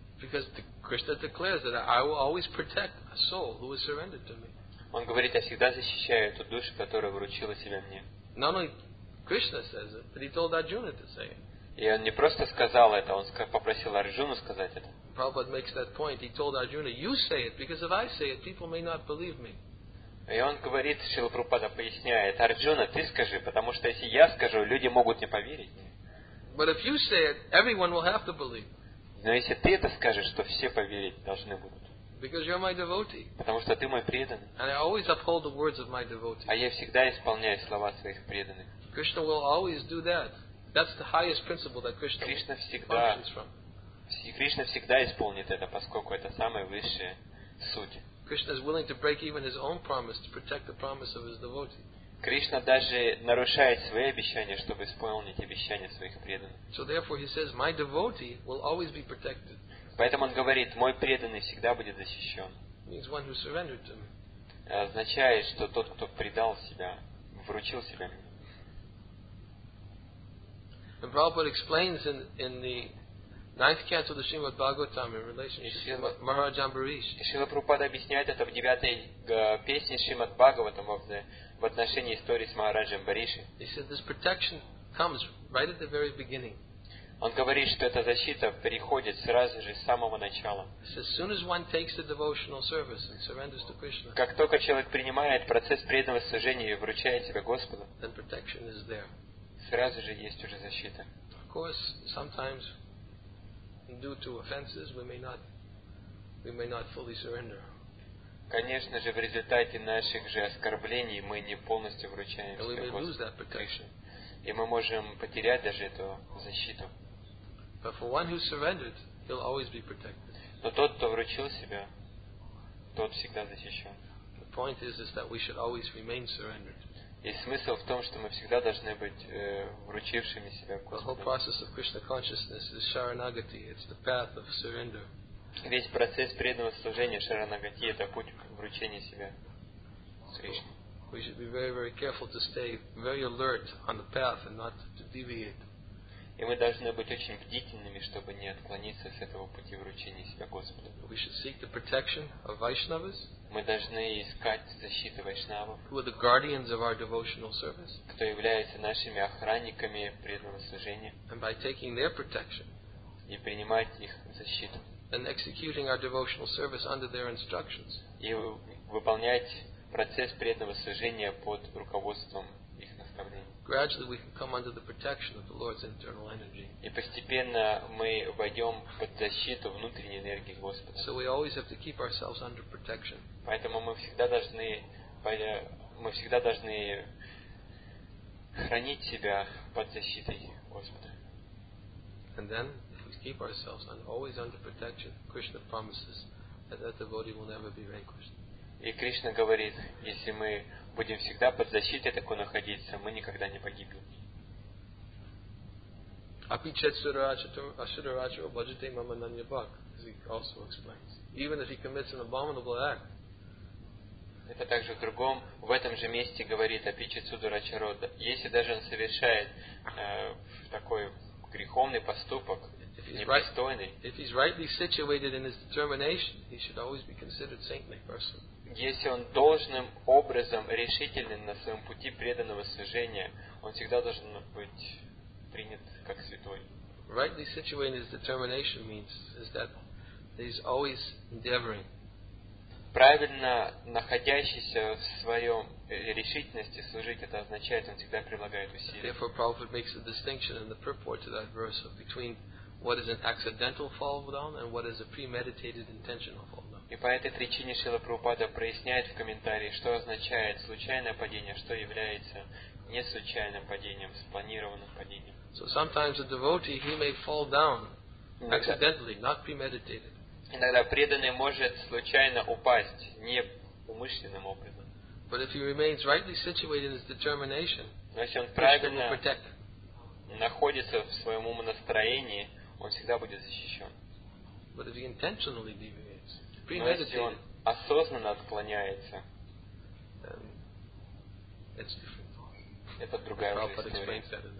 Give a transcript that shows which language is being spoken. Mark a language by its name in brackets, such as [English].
[English] Because the Krishna declares that I will always protect a soul who is surrendered to me. [Russian] Он говорит, я всегда защищаю эту душу, которая вручила себя мне. [English] Not only Krishna says it, but he told Arjuna to say it. [Russian] И он не просто сказал это, он попросил Арджуну сказать это. [English] Prabhupada makes that point. He told Arjuna, "You say it, because if I say it, people may not believe me." [Russian] И он говорит, Шрила Прабхупада поясняет, Арджуна, ты скажи, потому что если я скажу, люди могут не поверить. [English] But if you say it, everyone will have to believe. [Russian] Но если ты это скажешь, то все поверить должны будут. [English] Because you're my devotee. [Russian] Потому что ты мой преданный. [English] And I always uphold the words of my devotee. [Russian] А я всегда исполняю слова своих преданных. [English] Krishna will always do that. That's the highest principle that Krishna functions from. [Russian] Кришна всегда исполнит это, поскольку это самая высшая суть. [English] Krishna is willing to break even his own promise to protect the promise of his devotee. [Russian] Кришна даже нарушает свои обещания, чтобы исполнить обещания своих преданных. [English] So therefore he says, my devotee will always be protected. [Russian] Поэтому он говорит, мой преданный всегда будет защищен. [English] Means one who surrendered to me. [Russian] Означает, что тот, кто предал себя, вручил себя мне. [English] And Prabhupada explains in the ninth canto of the Srimad Bhagavatam in relationship to Maharaj Ambarish. [Russian] Шрила Прабхупада объясняет это в девятой песне Шримад Бхагаватам в отношении истории с Махараджем Бариши. [English] He says this protection comes right at the very beginning. [Russian] Он говорит, что эта защита приходит сразу же с самого начала. [English] As soon as one takes the devotional service and surrenders to Krishna. [Russian] Как только человек принимает процесс преданного служения и вручает себя Господу, [English] then protection is there. [Russian] Сразу же есть уже защита. [English] Of course, sometimes due to offenses, we may not fully surrender. [Russian] Конечно же, в результате наших же оскорблений мы не полностью вручаем Кришне. И мы можем потерять даже эту защиту. [English] But for one who surrendered, he'll always be protected. [Russian] Но тот, кто вручил себя, тот всегда защищен. [English] The point is that we should always remain surrendered. [Russian] И смысл в том, что мы всегда должны быть вручившими себя Господу. [English] The whole process of Krishna consciousness is sharanagati. It's the path of surrender. [Russian] Весь процесс преданного служения шаранагати – это путь к вручению себя Кришне. [English] We should be very, very careful to stay very alert on the path and not to deviate. [Russian] И мы должны быть очень бдительными, чтобы не отклониться с этого пути вручения себя Господу. [English] We should seek the protection of Vaishnavas. [Russian] Мы должны искать защиту вайшнавов. [English] Who are the guardians of our devotional service? [Russian] Кто является нашими охранниками преданного служения? [English] And by taking their protection. [Russian] И принимать их защиту. [English] And executing our devotional service under their instructions. [Russian] И выполнять процесс преданного служения под руководством их наставлений. [English] Gradually we can come under the protection of the Lord's internal energy. [Russian] И постепенно мы войдем под защиту внутренней энергии Господа. [English] So we always have to keep ourselves under protection. [Russian] Поэтому мы всегда должны хранить себя под защитой Господа. [English] And then, if we keep ourselves always under protection, Krishna promises that that devotee will never be vanquished. [Russian] И Кришна говорит, если мы будем всегда под защитой такой находиться, мы никогда не погибнем. [Sanskrit] Apichet Sudaracharya Bhajate Mama Nanya Bhak, [English] as he also explains. Even if he commits an abominable act. [Russian] Это также в другом, в этом же месте говорит Апичет Сударачаро. Если даже он совершает такой греховный поступок, непристойный. [English] If he's rightly situated in his determination, he should always be considered saintly person. [Russian] Если он должным образом решителен на своем пути преданного служения, он всегда должен быть принят как святой. [English] Rightly situated in his determination means is that he's always endeavoring. [Russian] Правильно находящийся в своем решительности служить, это означает, он всегда прилагает усилия. [English] Therefore, Prabhupada makes a distinction in the purport to that verse between what is an accidental fall down and what is a premeditated intentional fall down. [Russian] И по этой причине Шрила Прабхупада проясняет в комментарии, что означает случайное падение, что является не случайным падением, спланированным падением. [English] So sometimes a devotee, he may fall down accidentally, not premeditated. [Russian] Иногда преданный может случайно упасть, не умышленным образом. [English] But if he remains rightly situated in his determination, Krishna will protect him. [Russian] находится в своем умонастроении, он всегда будет защищен. [English] But if he intentionally deviates, [Russian] premeditated, если он осознанно отклоняется, [English] it's different. [Russian] Это другая жизнь.